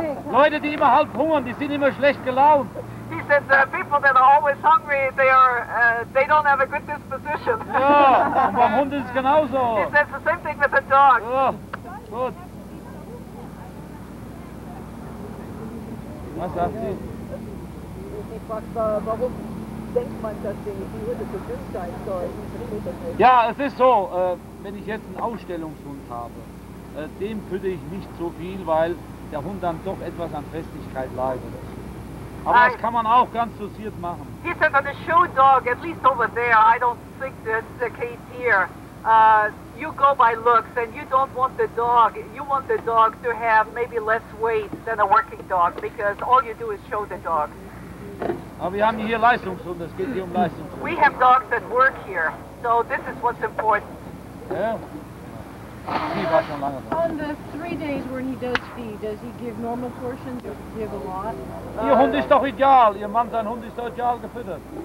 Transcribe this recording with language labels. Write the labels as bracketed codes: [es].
[de] Leute, die immer halb hungern, die sind immer schlecht gelaunt. [en] He said, the people that are always hungry, they don't have a good disposition. [de] Ja, und beim Hund ist es genauso. [en] He said, the same thing with the dog. [de] Ja, gut. Was sagt sie? Sie fragt, warum? Ja, es ist so, wenn ich jetzt einen Ausstellungshund habe, dem fütte ich nicht so viel, weil der Hund dann doch etwas an Festigkeit leidet. Aber das kann man auch ganz dosiert machen. [en] He said that the show dog, at least over there, I don't think that's the case here. You go by looks and you don't want the dog, you want the dog to have maybe less weight than a working dog, because all you do is show the dog. [de] Aber wir haben hier Leistungshunde, es geht hier Leistungshunde. [en] We have dogs that work here, so this is what's important. [de] Yeah. Sie war schon lange da. [en] On the 3 days when he does feed, does he give normal portions or give a lot? [de] Ihr Hund ist doch ideal, Ihr Mann, sein Hund ist doch ideal gefüttert.